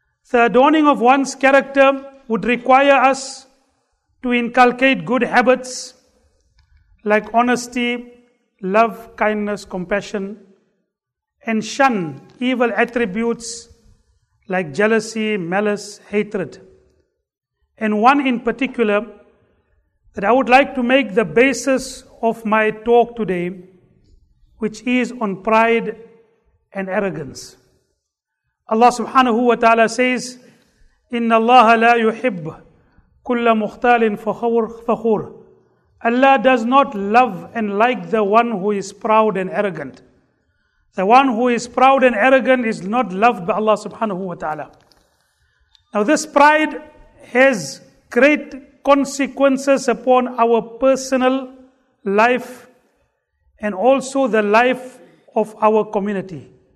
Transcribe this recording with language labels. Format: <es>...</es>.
<en>The adorning of one's character would require us to inculcate good habits like honesty, love, kindness, compassion, and shun evil attributes like jealousy, malice, hatred. And one in particular that I would like to make the basis of my talk today, which is on pride and arrogance. Allah subhanahu wa ta'ala says,</en> <ar>إِنَّ اللَّهَ لَا يُحِبْ كُلَّ مُخْتَالٍ فَخُورٍ.</ar> <en>Allah does not love and like the one who is proud and arrogant. The one who is proud and arrogant is not loved by Allah subhanahu wa ta'ala. Now this pride has great consequences upon our personal life and also the life of our community.</en>